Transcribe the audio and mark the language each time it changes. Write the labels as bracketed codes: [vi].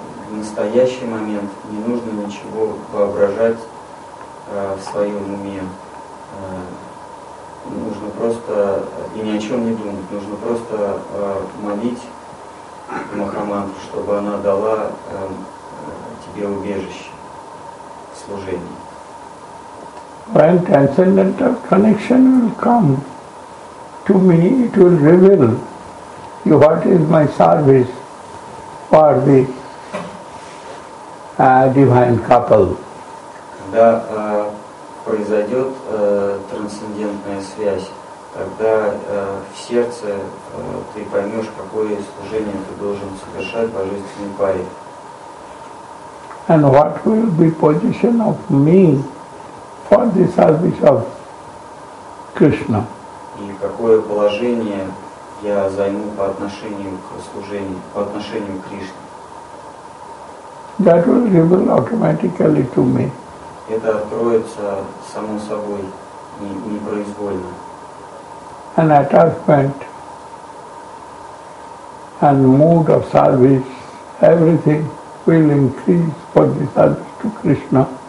[ru] настоящий момент, не нужно ничего воображать в своем уме. Нужно просто и ни о чем не думать, нужно просто молить Махамантру, чтобы она дала тебе убежище в служении. [en] When transcendental connection will come to me, it will reveal you what is my service for the divine couple. [ru] Когда произойдет трансцендентная связь, тогда в сердце ты поймешь, какое служение ты должен совершать божественной паре. [en] And what will be position of me for the service of Krishna? [ru] И какое положение я займу по отношению к служению, по отношению к Кришне? [en] That will reveal automatically to me. [ru] Это откроется само собой, непроизвольно. [en] An attachment and mood of service, everything will increase for the service to Krishna.